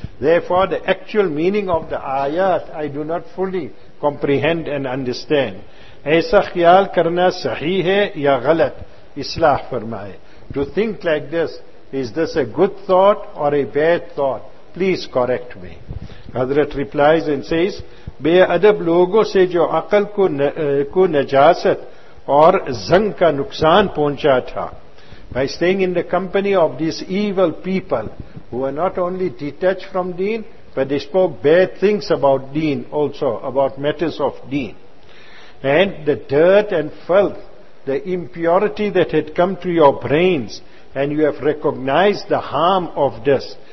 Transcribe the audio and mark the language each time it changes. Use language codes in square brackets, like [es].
[en] Therefore, the actual meaning of the ayat, I do not fully comprehend and understand. [ur] Aisa khyal karna sahi hai ya ghalat? Islah farmaye. [en] To think like this, is this a good thought or a bad thought? please correct me. Hazrat replies and says, [ur] بے ادب لوگوں سے جو عقل کو نجاست اور زنگ کا نقصان پہنچا تھا. [en] By staying in the company of these evil people who were not only detached from deen, but they spoke bad things about deen also, about matters of deen. And the dirt and filth, the impurity that had come to your brains, and you have recognized the harm of this.